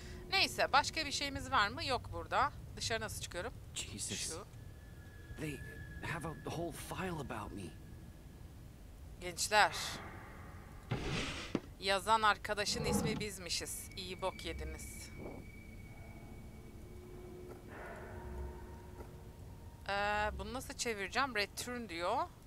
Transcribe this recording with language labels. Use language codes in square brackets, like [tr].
[tr] Neyse, başka bir şeyimiz var mı? Yok burada. Dışarı nasıl çıkıyorum? Jesus. Şu. [en] They have a whole file about me. [tr] Gençler. Yazan arkadaşın ismi bizmişiz. İyi bok yediniz. Bunu nasıl çevireceğim? Return diyor.